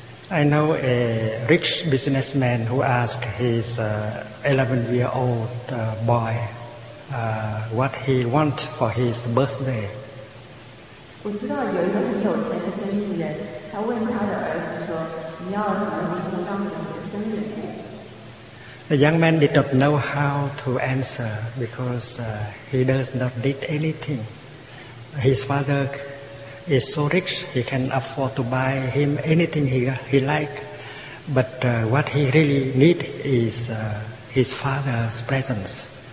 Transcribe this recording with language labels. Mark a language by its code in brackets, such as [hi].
[en] I know a rich businessman who asked his 11-year-old boy what he want for his birthday. [zh] 我知道有一个很有钱的生意人，他问他的儿子说：“你要什么礼物当你的生日礼物？” [en] The young man did not know how to answer because he does not need anything. His father is so rich, he can afford to buy him anything he likes. But what he really needs is his father's presence.